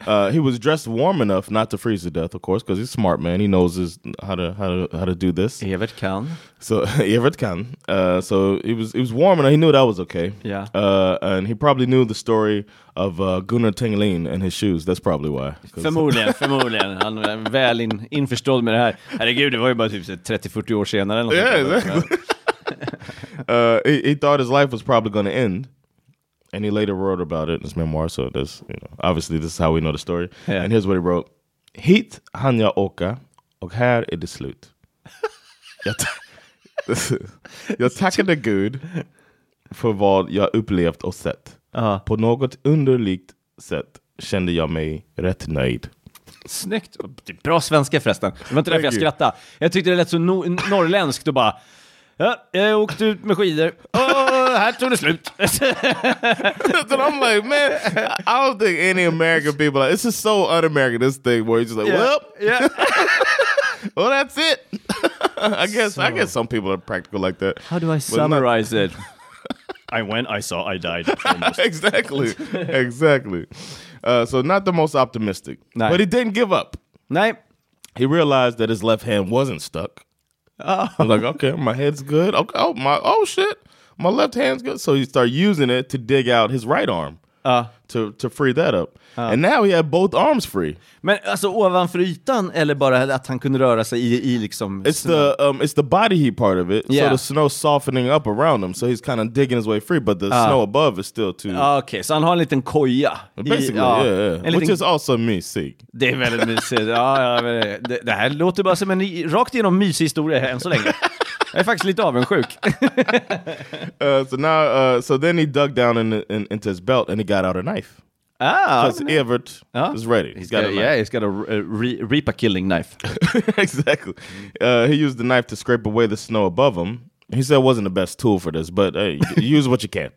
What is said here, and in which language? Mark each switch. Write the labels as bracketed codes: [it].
[en] He was dressed warm enough not to freeze to death, of course, because he's a smart man. He knows how to do this. [sv] Evert kan. So Evert kan. [en] So he was warm enough. He knew that was okay. Yeah. And he probably knew the story of Gunnar Tengelin and his shoes. That's probably why. [sv] Förmodligen. Han är väl införstådd med det här. Herregud, det var ju bara typ 30-40 år senare. [en] Yeah, exactly. he thought his life was probably going to end. And he later wrote about it in his memoir, so this, you know, obviously this is how we know the story. Yeah. And here's what he wrote. [sv] Hit han jag åka och här är det slut. Jag tackade Gud för vad jag upplevt och sett. På något underligt sätt kände jag mig rätt nöjd. Snyggt. Bra svenska förresten. Det var inte därför jag skrattade. Jag tyckte det lät så norrländskt och bara... Ja, jag åkte ut med skidor. Åh, här tog det slut. [en] Then I'm like, man, I don't think any American people like, this is so un-American, this thing, where you're just like, well, yeah. Well, that's it. I guess some people are practical like that. How do I summarize it? I went, I saw, I died. Exactly, exactly. So not the most optimistic, nah. But he didn't give up. Nah. He realized that his left hand wasn't stuck. Oh. I'm like, okay, my head's good. Okay, my left hand's good. So he started using it to dig out his right arm to free that up. And now he had both arms free. [sv] Men alltså ovanför ytan eller bara att han kunde röra sig i liksom... [en] It's the body heat part of it. Yeah. So the snow softening up around him. So he's kind of digging his way free. But the snow above is still too... [sv] Okay, så han har en liten koja. [en] Which is also mysig. [sv] Det är väldigt mysigt. Det här låter bara som en rakt igenom mysig historia än så länge. Jag är faktiskt lite avundsjuk. [en] So then he dug down into his belt and he got out a knife. Because Evert is ready. He's got a Reaper killing knife. Exactly. He used the knife to scrape away the snow above him. He said it wasn't the best tool for this, but hey, use what you can.